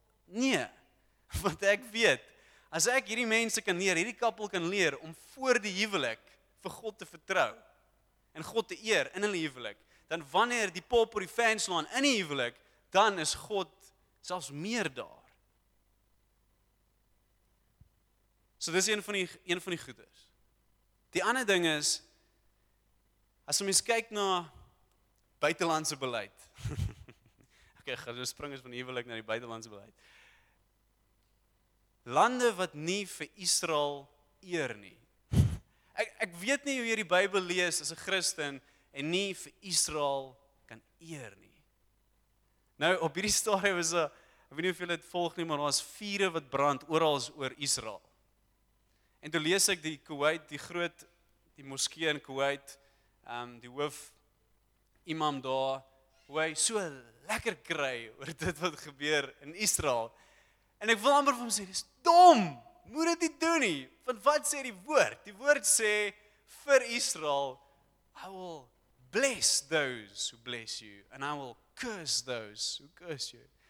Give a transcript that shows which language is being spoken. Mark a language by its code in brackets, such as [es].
[af] Nee, want ek weet, as ek hierdie mense kan leer, hierdie kappel kan leer, om voor die huwelik vir God te vertrou, en God te eer in hulle huwelik, dan wanneer die pop oor die fan slaan in die huwelik, dan is God selfs meer daar. So dis een van die goeders. Die ander ding is, as ons kyk na buitelandse beleid, ok, gaan so spring is van die huwelik na die buitelandse beleid, lande wat nie vir Israel eer nie. Ek weet nie hoe jy die Bybel lees as 'n Christen, en nie vir Israel kan eer nie. Nou, op hierdie stadium is, ek weet nie of julle het volg nie, maar daar is vure wat brand oral oor Israel. En toe lees ek die Kuwait, die groot, die moskee in Kuwait, die hoof imam daar, hoe hy so lekker kry oor dit wat gebeur in Israel. En ek wil amper vir hom sê, dis dom, moet dit nie doen nie. Van wat sê die woord? Die woord sê, vir Israel, [en] I will bless those who bless you, and I will curse those who curse you.